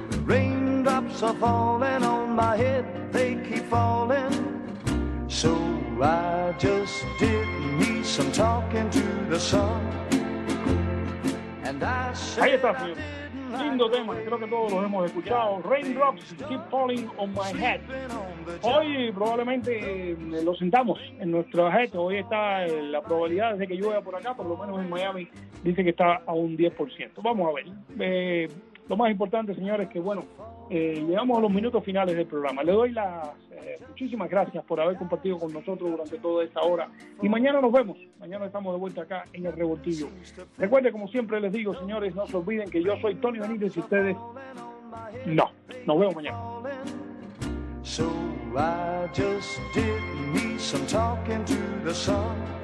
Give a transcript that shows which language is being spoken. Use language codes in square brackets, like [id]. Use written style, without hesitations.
[en] Raindrops are falling on my head, they keep falling. So I just did need some talking to the sun, and I [es] Ahí está, señor. Lindo tema, creo que todos los hemos escuchado. Raindrops Keep Falling on My Head. Hoy probablemente lo sentamos en nuestro head. Hoy está la probabilidad de que llueva por acá, por lo menos en Miami, dice que está a un 10%. Vamos a ver. Lo más importante, señores, que bueno, llegamos a los minutos finales del programa. Le doy las muchísimas gracias por haber compartido con nosotros durante toda esta hora. Y mañana nos vemos. Mañana estamos de vuelta acá en El Revoltillo. Recuerden, como siempre les digo, señores, no se olviden que yo soy Tony Benítez y ustedes no. Nos vemos mañana. [en] So I just did me some talking to the sun.